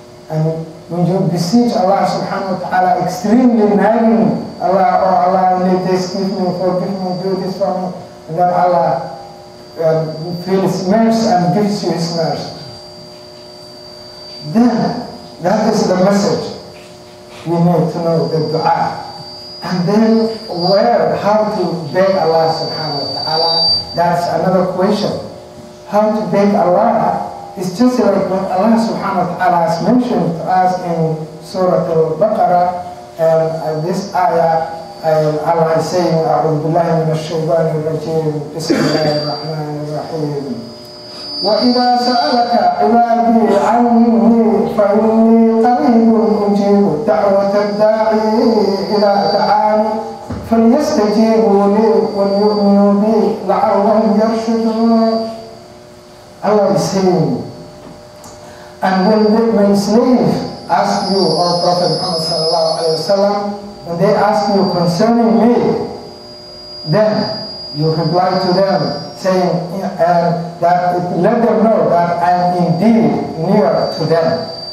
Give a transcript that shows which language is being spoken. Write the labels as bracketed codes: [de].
[en] And when you beseech Allah subhanahu wa ta'ala, extremely nagging, Allah, oh Allah, need this, give me, forgive me, do this for me, and then Allah feels mercy and gives you his mercy. Then, that is the message we need to know, the dua. And then, how to beg Allah subhanahu wa ta'ala, that's another question. How to beg Allah? It's just like what Allah subhanahu wa ta'ala has mentioned to us in Surah Al-Baqarah, and this ayah, Allah is saying, [ar] أعوذ بالله من الشيطان الرجيم بسم الله الرحمن الرحيم وإذا سألك عبادي عني فإني قريب أجيب دعوة الداعي إلى دعاني فليستجيبوا لي وليؤمنوا بي لعلهم يرشدون. [en] Allah is saying, and when slaves ask you, or Prophet Muhammad sallallahu alayhi wa sallam, when they ask you concerning me, then you reply to them saying that let them know that I am indeed near to them.